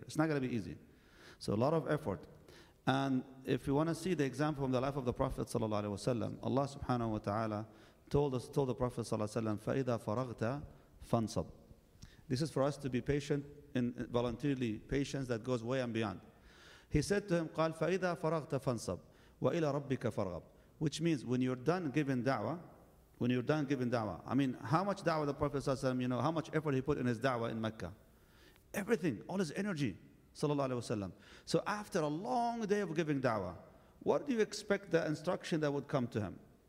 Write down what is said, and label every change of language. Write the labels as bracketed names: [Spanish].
[English] It's not going to be easy. So a lot of effort. And if you want to see the example from the life of the Prophet sallallahu alaihi wasallam, Allah subhanahu wa ta'ala told the Prophet sallallahu alaihi wasallam, [Arabic] فَإِذَا فَرَغْتَ فَانْصَبْ. [English] This is for us to be patient, and voluntarily patience that goes way and beyond. He said to him, [Arabic] قَالْ فَإِذَا فَرَغْتَ فَانْصَبْ وَإِلَى رَبِّكَ فَرْغَبْ. [English] Which means when you're done giving da'wah, when you're done giving da'wah, I mean, how much da'wah the Prophet sallallahu alaihi wasallam, you know, how much effort he put in his da'wah in Mecca. Everything, all his energy. So after a long day of giving da'wah, what do you expect the instruction that would come to him?